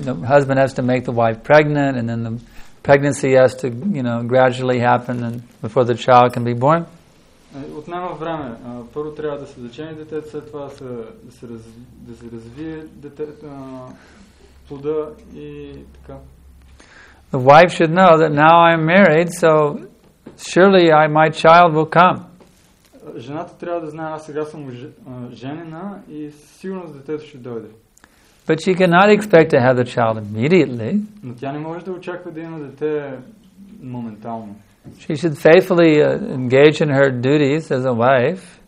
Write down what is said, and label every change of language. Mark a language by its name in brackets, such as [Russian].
[English] The husband has to make the wife pregnant and then the pregnancy has to, you know, gradually happen and before the child can be born. [Bulgarian] Отнема време. Първо трябва да се зачене детето, след това да се развие детето, плода и така. [English] The wife should know that now I'm married, so surely my child will come. [Bulgarian] Жената трябва да знае, аз сега съм женена и сигурно детето ще дойде. [English] But she cannot expect to have the child immediately. [Bulgarian] Но тя не може да очаква да има дете моментално. [English] She should faithfully engage in her duties as a wife.